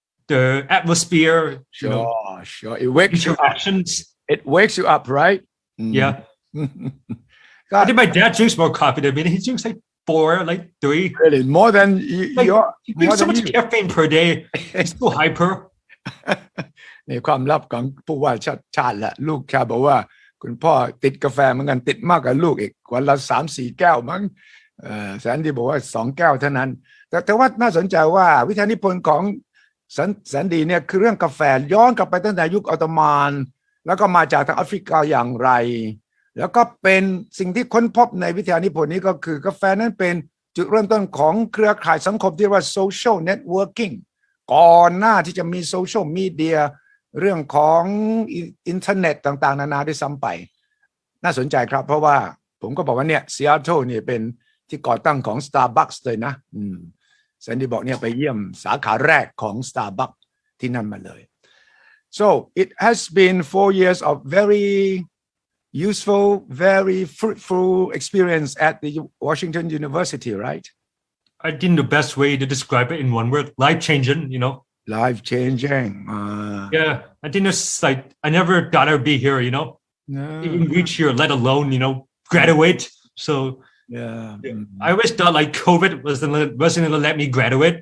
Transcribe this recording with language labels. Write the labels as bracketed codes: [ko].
[en] The atmosphere. Sure. It wakes you up. Interactions. It wakes you up, right? Yeah. God. I think my dad drinks more coffee than me. He drinks like four, like three. Really? More than you? Like, your, he drinks so much caffeine per day. He's so hyper. [th] ในความลับของผู้ว่าชาติชาติแหละลูกชายบอกว่าคุณพ่อติดกาแฟเหมือนกันติดมากกว่าลูกอีกวันละ 3-4 แก้วมั้งแสนดีบอกว่า2แก้วเท่านั้นแต่ว่าน่าสนใจว่าวิทยานิพนธ์ของ แสนดีเนี่ยคือเรื่องกาแฟย้อนกลับไปตั้งแต่ยุคออตโตมันแล้วก็มาจากทางแอฟริกาอย่างไรแล้วก็เป็นสิ่งที่ค้นพบในวิทยานิพนธ์นี้ก็คือกาแฟนั้นเป็นจุดเริ่มต้นของเครือข่ายสังคมที่เรียกว่าโซเชียลเน็ตเวิร์กิ่งก่อนหน้าที่จะมีโซเชียลมีเดียเรื่องของอินเทอร์เน็ตต่างๆนานาได้ซ้ำไป น่าสนใจครับเพราะว่าผมก็บอกว่าเนี่ยซีแอตเทิลเนี่ยเป็นที่ก่อตั้งของ Starbucks เลยนะแซนดี้บอกเนี่ยไปเยี่ยมสาขาแรกของ Starbucks ที่นั่นมาเลย [en] So it has been 4 years of very useful very fruitful experience at the Washington University right I think the best way to describe it in one word life changing you know Life changing. Yeah, I think it's like I never thought I'd be here. You know, no, even reach here, let alone you know graduate. So yeah, I always thought like COVID wasn't gonna let me graduate.